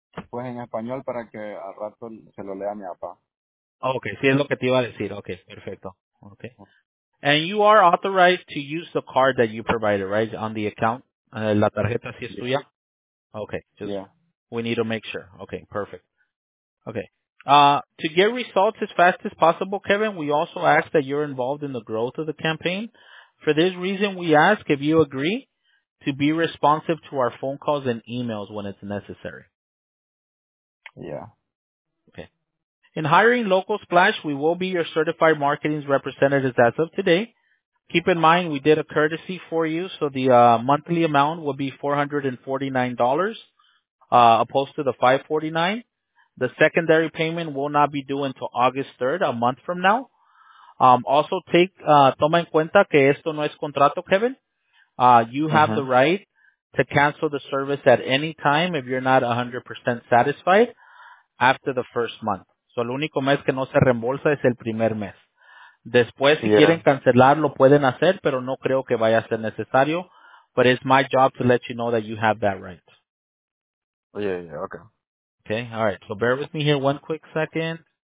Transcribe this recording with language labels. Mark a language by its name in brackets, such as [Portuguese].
[Spanish] Pues en español para que al rato se lo lea mi papá. Okay, sí, es lo que te iba a decir. Okay, perfecto. Okay. [English] And you are authorized to use the card that you provided, right, on the account? [Spanish] La tarjeta sí es tuya? [English] Yeah. Okay. Just, yeah. We need to make sure. Okay, perfect. Okay. To get results as fast as possible, Kevin, we also ask that you're involved in the growth of the campaign. For this reason, we ask if you agree to be responsive to our phone calls and emails when it's necessary. Yeah. Okay. In hiring Local Splash, we will be your certified marketing representatives as of today. Keep in mind, we did a courtesy for you, so the monthly amount will be $449, opposed to the $549. The secondary payment will not be due until August 3rd, a month from now. Also, [Spanish] toma en cuenta que esto no es contrato, Kevin. [English] You have the right to cancel the service at any time if you're not 100% satisfied after the first month. So [Spanish] el único mes que no se reembolsa es el primer mes. Después, si quieren cancelar, lo pueden hacer, pero no creo que vaya a ser necesario. [English] But it's my job to let you know that you have that right. Yeah, okay. Okay, all right. So bear with me here one quick second.